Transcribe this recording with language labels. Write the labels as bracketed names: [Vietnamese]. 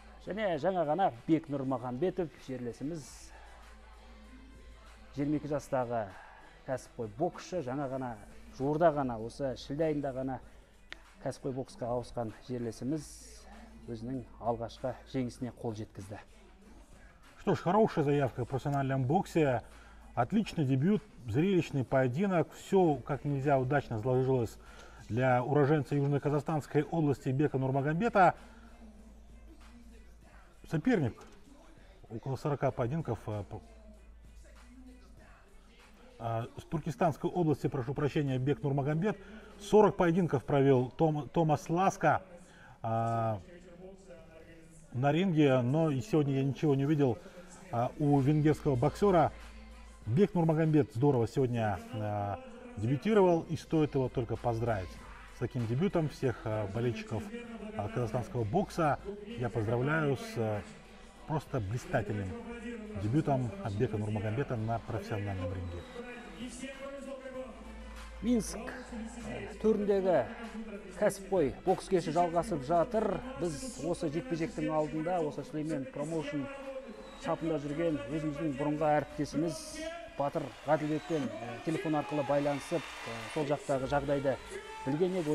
[Kazakh] Және жаңа ғана Бек Нұрмағамбетов жерлесіміз 22 жастағы кәсіпқой боксшы, жаңа ғана жуырда ғана осы шілде айында ғана кәсіпқой боксқа ауысқан жерлесіміз өзінің алғашқы жеңісіне қол жеткізді. [Russian] Что ж, хорошая заявка в профессиональном боксе. Отличный дебют, зрелищный поединок. Все как нельзя удачно сложилось для уроженца Южно-Казахстанской области Бека Нурмагомбета. Соперник. Около 40 поединков. С Туркестанской области, прошу прощения, Бек Нурмагомбет. 40 поединков провел Томас Ласка на ринге. Но и сегодня я ничего не увидел у венгерского боксера. Бек Нурмагомбет здорово сегодня дебютировал. И стоит его только поздравить с таким дебютом. Всех болельщиков казахстанского бокса я поздравляю с просто блистательным дебютом Бека Нурмагомбета на профессиональном ринге. [Kazakh] Минск түріндегі кәсіпқой бокс кеші жалғасып жатыр. Біз осы жекпе-жектің алдында осы Сүлеймен промоушн шапында жүрген өзіміздің бұрынғы әріптесіміз Батыр Ғаділбекпен телефон арқылы байланысып сол жақтағы жағдайды білген еді.